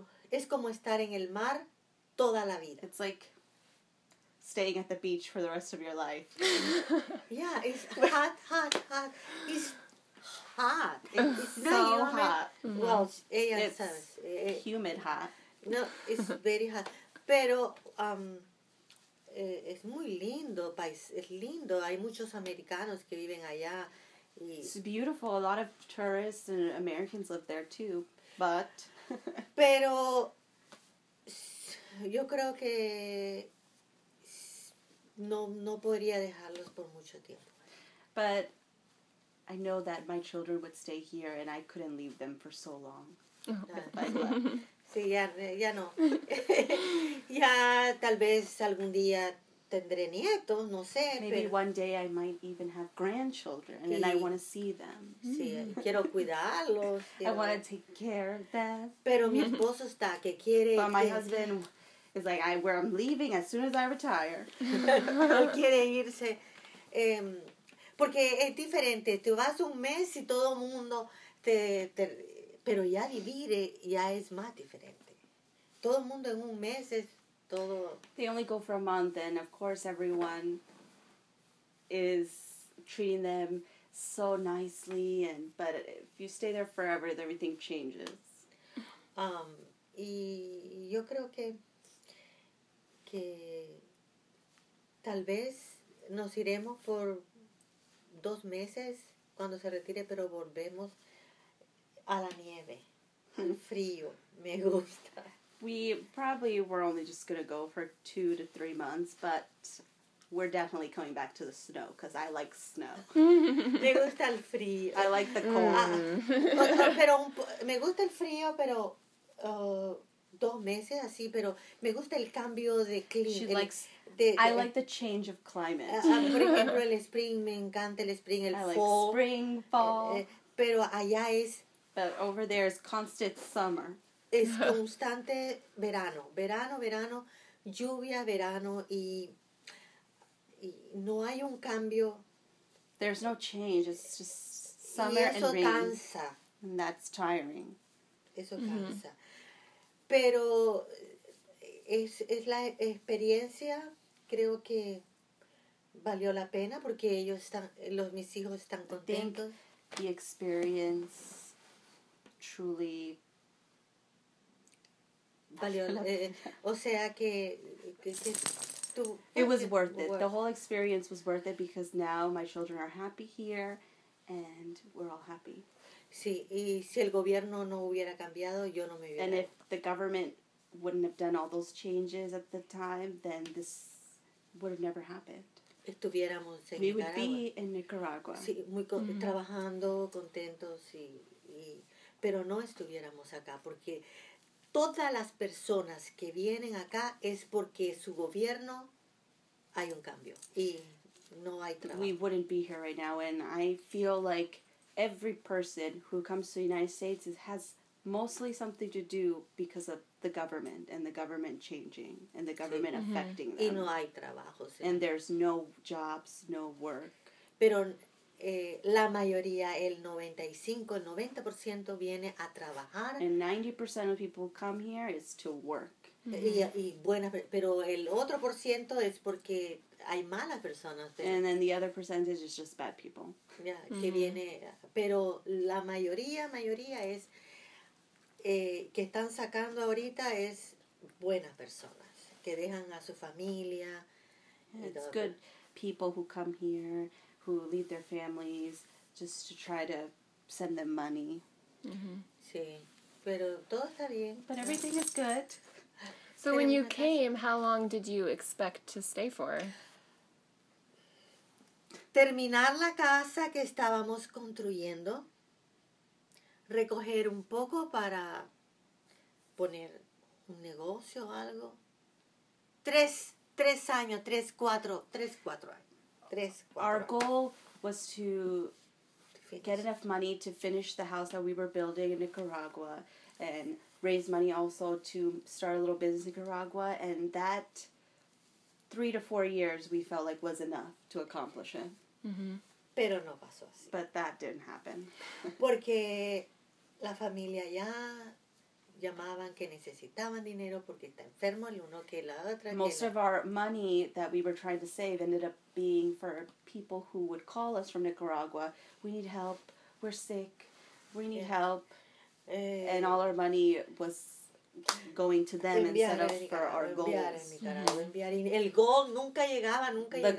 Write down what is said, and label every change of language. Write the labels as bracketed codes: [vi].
[es] Es como estar en el mar toda la vida. [en] It's like staying at the beach for the rest of your life. Yeah, it's hot, hot, hot. It's hot. It's so hot. Well, it's humid hot. No, it's very hot. [es] Pero es muy lindo, país. Es lindo. Hay muchos americanos que viven allá. [en] It's beautiful. A lot of tourists and Americans live there too. But [es] pero yo creo que No podría dejarlos por mucho tiempo. [en] But I know that my children would stay here and I couldn't leave them for so long. [es] Sí, ya no. Ya tal vez algún día tendré nietos, no sé. [en] Maybe one day I might even have grandchildren and I want to see them. [es] Sí, quiero cuidarlos. [en] I want to take care of them. [es] Pero mi esposo está que quiere. [en] But my husband. It's like where I'm leaving as soon as I retire. [es] No quiere irse. Porque es diferente. Tú vas un mes y todo mundo te. Pero ya vivir ya es más diferente. Todo el mundo en un mes es todo. [en] They only go for a month, and of course, everyone is treating them so nicely. But if you stay there forever, everything changes. [es] Y yo creo que. Que tal vez nos iremos por 2 meses cuando se retire, pero volvemos a la nieve, al frío. Me gusta. [en] We probably were only just going to go for 2 to 3 months, but we're definitely coming back to the snow, because I like snow. [es] Me gusta el frío. [en] I like the cold. Mm. [es] Pero me gusta el frío, pero 2 meses, así, pero me gusta el cambio de clima. [en] She [es] el, [en] likes, de, I de, like the change of climate. [es] Por ejemplo, el spring, me encanta el spring, el [en] I fall. Like spring, fall. [es] Pero allá es... [en] But over there is constant summer. [es] Es constante verano. Verano, verano, lluvia, verano, y no hay un cambio. [en] There's no change. It's just summer [es] y eso [en] and rain. [es] Cansa. [en] And that's tiring. [es] Eso cansa. Mm-hmm. Pero es la experiencia, creo que valió la pena porque ellos están, los mis hijos están contentos. [en] The experience truly [es] valió, o sea que tú, [en] it was worth it. The whole experience was worth it because now my children are happy here and we're all happy. [es] Sí, y si el gobierno no hubiera cambiado, yo no me hubiera. [en] And if the government wouldn't have done all those changes at the time, then this would have never happened. [es] Estuviéramos en [en] we Nicaragua. Would be in Nicaragua. [es] Sí, muy trabajando, contentos, y pero no estuviéramos acá, porque todas las personas que vienen acá es porque su gobierno hay un cambio, y no hay trabajo. [en] We wouldn't be here right now, and I feel like every person who comes to the United States has mostly something to do because of the government and the government changing and the government affecting them. [es] Y no hay trabajo, sí. [en] And there's no jobs, no work. [es] Pero la mayoría, el 95, el 90% viene a trabajar. [en] And 90% of people come here is to work. [es] Y buena, pero el otro por ciento es porque hay malas personas. [en] De, and then the other percentage is just bad people. [es] Yeah, que viene, pero la mayoría es... que están sacando ahorita es buenas personas que dejan a su familia. [en] It's good people who come here who leave their families just to try to send them money. [es] Sí, pero todo está bien. [en] But everything is good. So when you came, how long did you expect to stay for? [es] Terminar la casa que estábamos construyendo. Recoger un poco para poner un negocio o algo. Tres cuatro años. [en] Our goal was to get enough money to finish the house that we were building in Nicaragua and raise money also to start a little business in Nicaragua. And that 3 to 4 years we felt like was enough to accomplish it. [es] Mm-hmm. Pero no pasó así. [en] But that didn't happen. [es] Porque... La familia ya llamaban que necesitaban dinero porque está enfermo el uno que la otra. [en] Most of our money that we were trying to save ended up being for people who would call us from Nicaragua. We need help. We're sick. We need help. And all our money was going to them instead of for our goals. [es] Enviar en Nicaragua. El goal nunca llegaba, nunca llegaba.